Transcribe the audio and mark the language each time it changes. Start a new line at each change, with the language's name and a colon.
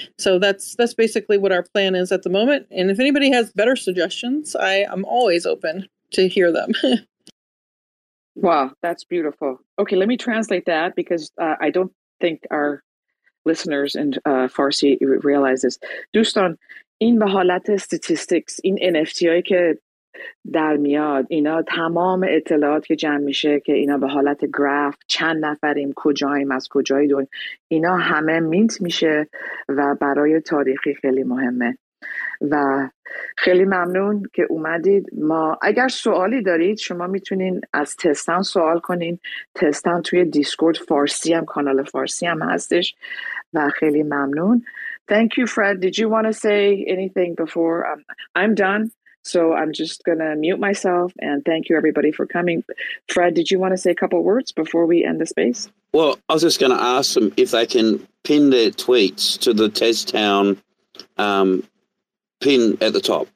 English: So that's basically what our plan is at the moment. And if anybody has better suggestions, I'm always open to hear them. Wow, that's beautiful. Okay, let me translate that because I don't think our listeners in Farsi realize this.
Persian: دوستان این به حالت statistics این NFT هایی که در میاد اینا تمام اطلاعات که جمع میشه که اینا به حالت graph چند نفریم کجاییم از کجای دنیا اینا همه mint میشه و برای تاریخی خیلی مهمه. و خیلی ممنون که اومدید. ما اگر سوالی دارید شما میتونین از تستان سوال کنین. تستان توی دیسکورد فارسی هم کانال فارسی هم هستش و خیلی ممنون.
English: Thank you Fred. Did you want to say anything before I'm done? So I'm just going to mute myself and thank you everybody for coming. Fred, did you want to say a couple words before we end the space? Well, I was just going to ask them if they can pin their tweets to the Tezstown pin at the top.